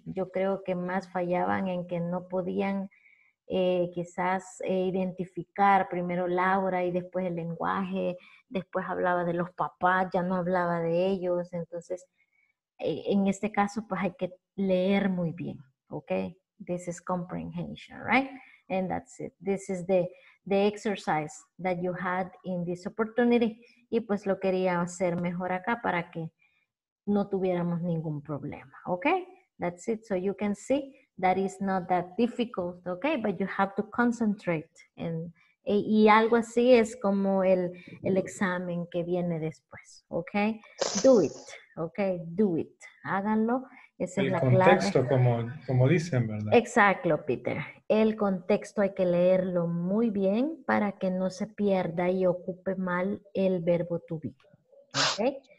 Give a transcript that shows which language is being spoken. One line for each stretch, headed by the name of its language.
Spanish: Yo creo que más fallaban en que no podían identificar primero Laura y después el lenguaje. Después hablaba de los papás, ya no hablaba de ellos. Entonces, en este caso, pues hay que leer muy bien, ok.
English: This is comprehension, right? And that's it. This is the exercise that you had in this opportunity.
Spanish: Y pues lo quería hacer mejor acá para que no tuviéramos ningún problema. Okay?
English: That's it. So you can see that is not that difficult. Okay? But you have to concentrate.
Spanish: Y algo así es como el examen que viene después.
English: Okay? Do it. Okay? Do it.
Spanish: Háganlo. Esa el es la contexto, clave. Como dicen, ¿verdad? Exacto, Peter. El contexto hay que leerlo muy bien para que no se pierda y ocupe mal el verbo to be. Okay.